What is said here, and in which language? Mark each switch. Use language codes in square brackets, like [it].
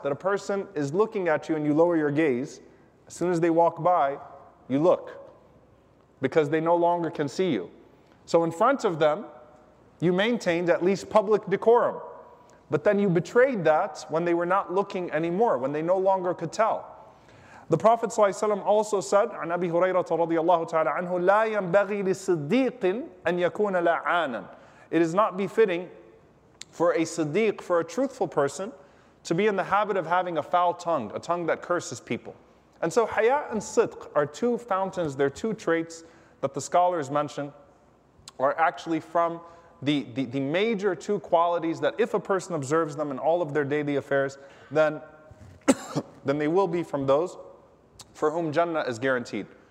[en] That a person is looking at you and you lower your gaze, as soon as they walk by, you look, because they no longer can see you. So in front of them, you maintained at least public decorum, but then you betrayed that when they were not looking anymore, when they no longer could tell. The Prophet ﷺ also said, [ar] عن أبي هريرة رضي الله تعالى عنه, لا ينبغي لصديق أن يكون لعانا. [en] It is not befitting for a siddiq, for a truthful person, to be in the habit of having a foul tongue, a tongue that curses people. And so haya and sidq are two fountains, they're two traits that the scholars mention are actually from the major two qualities that if a person observes them in all of their daily affairs, then then they will be from those for whom Jannah is guaranteed.